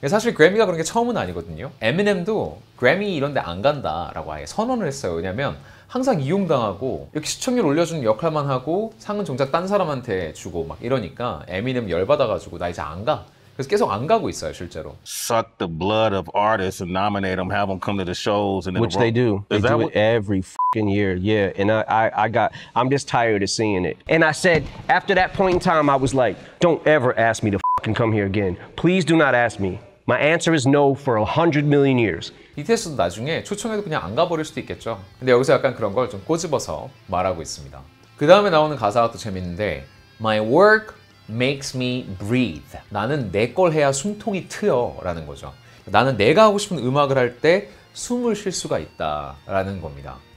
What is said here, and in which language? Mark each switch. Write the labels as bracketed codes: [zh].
[ko] 사실 그래미가 그런 게 처음은 아니거든요. 에미넴도 그래미 이런 데 안 간다 라고 아예 선언을 했어요. 왜냐면 항상 이용당하고 이렇게 시청률 올려주는 역할만 하고 상은 정작 딴 사람한테 주고 막 이러니까 에미넴 열받아가지고 나 이제 안 가. 그래서 계속 안 가고 있어요, 실제로. [en] Suck the blood of artists and nominate them, have them come to the shows. And Which they do. They do it every f***ing year. Yeah, and I'm just tired of seeing it. And I said, after that point in time, I was like, don't ever ask me to f***ing come here again. Please do not ask me. My answer is no for 100 million years. [ko] BTS도 나중에 초청해도 그냥 안 가버릴 수도 있겠죠. 근데 여기서 약간 그런 걸 좀 꼬집어서 말하고 있습니다. 그 다음에 나오는 가사가 또 재밌는데 [en] My work makes me breathe. [ko] 나는 내 걸 해야 숨통이 트여 라는 거죠. 나는 내가 하고 싶은 음악을 할 때 숨을 쉴 수가 있다 라는 겁니다.